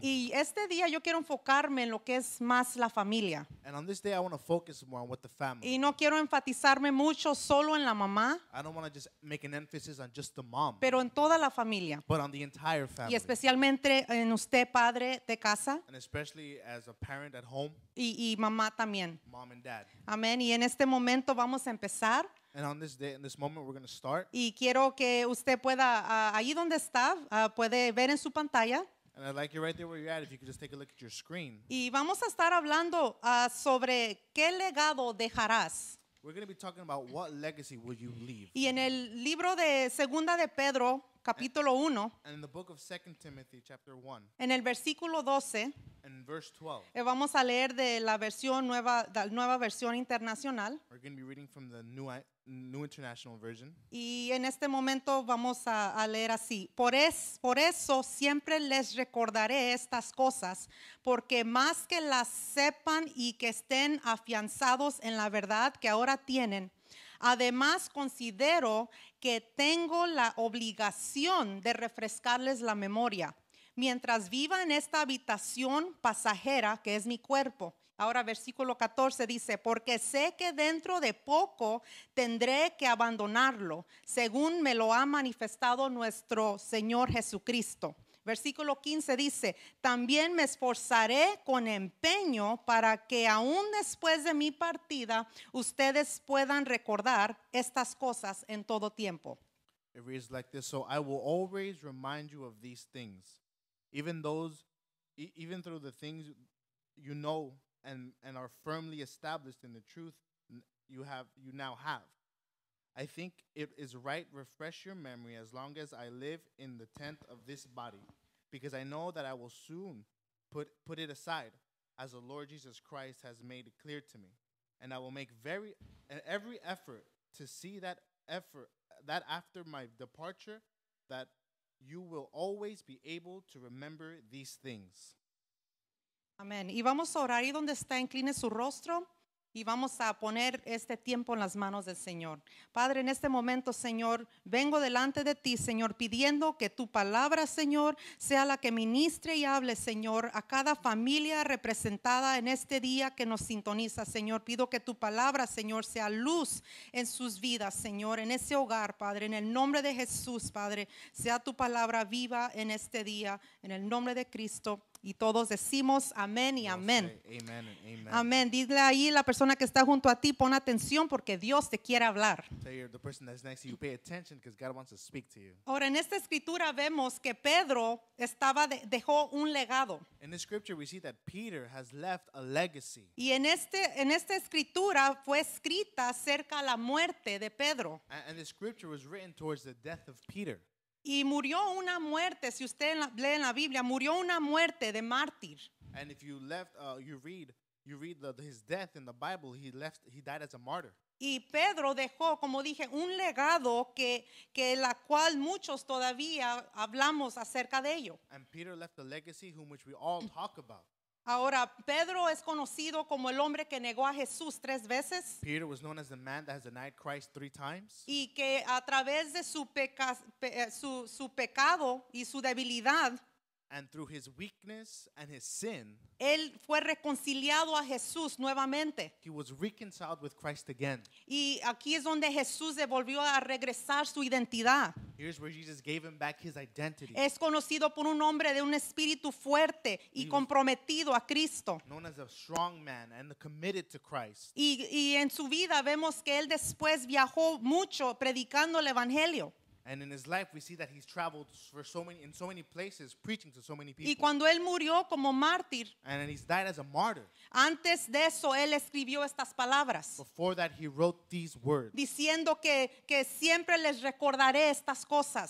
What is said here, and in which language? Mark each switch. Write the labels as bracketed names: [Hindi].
[Spanish] Y este día yo quiero enfocarme en lo que es más la familia. [English] And on this day I want to focus more on what the family. [Spanish] Y no quiero enfatizarme mucho solo en la mamá. [English] I don't want to just make an emphasis on just the mom. [Spanish] Pero en toda la familia. [English] But on the entire family. [Spanish] Y especialmente en usted padre de casa. [English] And especially as a parent at home. [Spanish] Y mamá también. [English] Mom and dad. [Spanish] Amén. Y en este momento vamos a empezar. [English] And on this day, in this moment, we're going to start. [Spanish] Y quiero que usted pueda, ahí donde está, puede ver en su pantalla. [English] And I'd like you right there where you're at, if you could just take a look at your screen. [Spanish] Y vamos a estar hablando sobre qué legado dejarás. [English] We're going to be talking about what legacy will you leave. [Spanish] Y en el libro de Segunda de Pedro, capítulo 1. [English] And in the book of 2 Timothy, chapter 1. [Spanish] En el versículo 12. [English] In verse 12. [Spanish] Vamos a leer de la versión nueva, de la nueva versión internacional. [English] We're going to be reading from the new international version. [Spanish] Y en este momento vamos a leer así. Por eso siempre les recordaré estas cosas, porque más que las sepan y que estén afianzados en la verdad que ahora tienen, además considero que tengo la obligación de refrescarles la memoria. Mientras viva en esta habitación pasajera que es mi cuerpo. Ahora versículo 14 dice, porque sé que dentro de poco tendré que abandonarlo, según me lo ha manifestado nuestro Señor Jesucristo. Versículo 15 dice, también me esforzaré con empeño para que aún después de mi partida, ustedes puedan recordar estas cosas en todo tiempo. [English] It reads like this, so I will always remind you of these things. Even through the things you know and are firmly established in the truth you now have. I think it is right refresh your memory as long as I live in the tent of this body, because I know that I will soon put it aside, as the Lord Jesus Christ has made it clear to me. And I will make every effort to see that after my departure that you will always be able to remember these things. [Spanish] Amén. Y vamos a orar ahí donde está, incline su rostro y vamos a poner este tiempo en las manos del Señor. Padre, en este momento, Señor, vengo delante de ti, Señor, pidiendo que tu palabra, Señor, sea la que ministre y hable, Señor, a cada familia representada en este día que nos sintoniza, Señor. Pido que tu palabra, Señor, sea luz en sus vidas, Señor, en ese hogar, Padre, en el nombre de Jesús, Padre, sea tu palabra viva en este día, en el nombre de Cristo. Y todos decimos amén y amén. [English] Amen and amen. [Spanish] Amén. Dile ahí la persona que está junto a ti, pon atención porque Dios te quiere hablar. Ahora, en esta escritura vemos que Pedro dejó un legado. [English] In this scripture we see that Peter has left a legacy. [Spanish] Y en esta escritura fue escrita cerca a la muerte de Pedro. [English] And the scripture was written towards the death of Peter. [Spanish] Y murió una muerte, si usted lee en la Biblia, murió una muerte de mártir. [English] And if you left, you read his death in the Bible, he died as a martyr. [Spanish] Y Pedro dejó, como dije, un legado que la cual muchos todavía hablamos acerca de ello. [English] And Peter left a legacy whom which we all talk about. [Spanish] Ahora, Pedro es conocido como el hombre que negó a Jesús tres veces. [English] Peter was known as the man that has denied Christ three times. [Spanish] Y que a través de su pecado y su debilidad. [English] And through his weakness and his sin, [Spanish] él fue reconciliado a Jesús nuevamente. [English] He was reconciled with Christ again. [Spanish] Y aquí es donde Jesús devolvió a regresar su identidad. [English] Here's where Jesus gave him back his identity. [Spanish] Es conocido por un hombre de un espíritu fuerte y comprometido a Cristo. [English] Known as a strong man and committed to Christ. [Spanish] Y en su vida vemos que él después viajó mucho predicando el evangelio. [English] And in his life, we see that he's traveled for so many, in so many places, preaching to so many people. [Spanish] Y cuando él murió como mártir, [English] and then he's died as a martyr. [Spanish] Antes de eso, él escribió estas palabras. [English] Before that, he wrote these words. [Spanish] Diciendo que siempre les recordaré estas cosas.